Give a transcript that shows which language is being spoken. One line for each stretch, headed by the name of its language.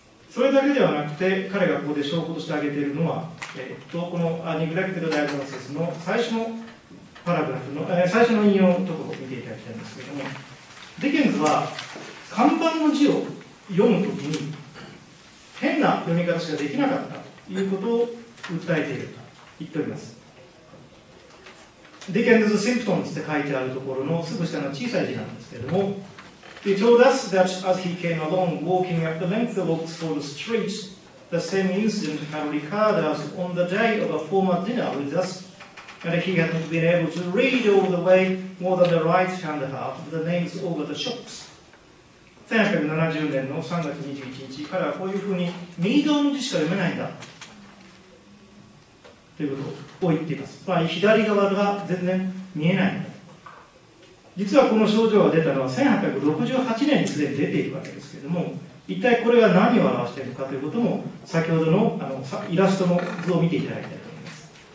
Japanese: それだけではなくて、彼がここで証拠として挙げているのは、このネグレクテッドダイアグノーシスの最初のパラグラフの、最初の引用のところを見ていただきたいんですけれども、ディケンズは看板の字を読むときに変な読み方しかできなかったということを訴えていると言っております。ディケンズ・シンプトンズって書いてあるところのすぐ下の小さい字なんですけれども、
English: He told us that as he came along walking at the length of Oxford Street, the same incident had recurred us on the day of a former dinner with us, and he had not been able to read all the way more than the right hand half of the names over the shops.
Japanese: 1870年の3月21日からこういうふうに右側の字しか読めないんだということを言っています。つまり左側が全然見えない。実はこの症状が出たのは1868年にすでに出ているわけですけれども、一体これが何を表しているかということも先ほど あのイラストの図を見ていただきたいと思います。